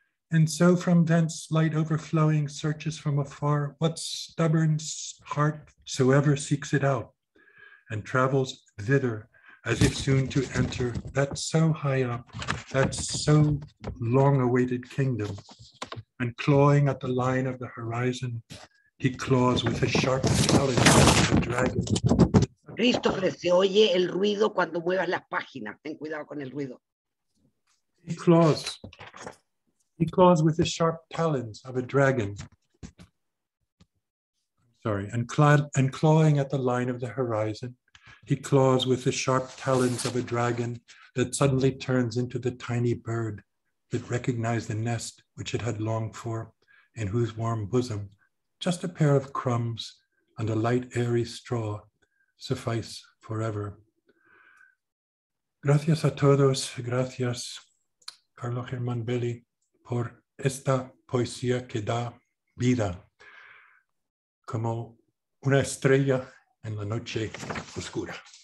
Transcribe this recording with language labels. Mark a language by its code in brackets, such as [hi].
[en] And so from thence light overflowing searches from afar what stubborn heart soever seeks it out and travels thither as if soon to enter that so high up, that so long awaited kingdom. And clawing at the line of the horizon, he claws with a sharp talon the dragon. [es] Christopher, se oye el ruido cuando muevas las páginas. Ten cuidado con el ruido. [en] He claws with the sharp talons of a dragon. Sorry, and clawing at the line of the horizon, he claws with the sharp talons of a dragon that suddenly turns into the tiny bird that recognized the nest which it had longed for, in whose warm bosom just a pair of crumbs and a light airy straw suffice forever. [es] Gracias a todos, gracias, Carlos German Belli, por esta poesía que da vida como una estrella en la noche oscura.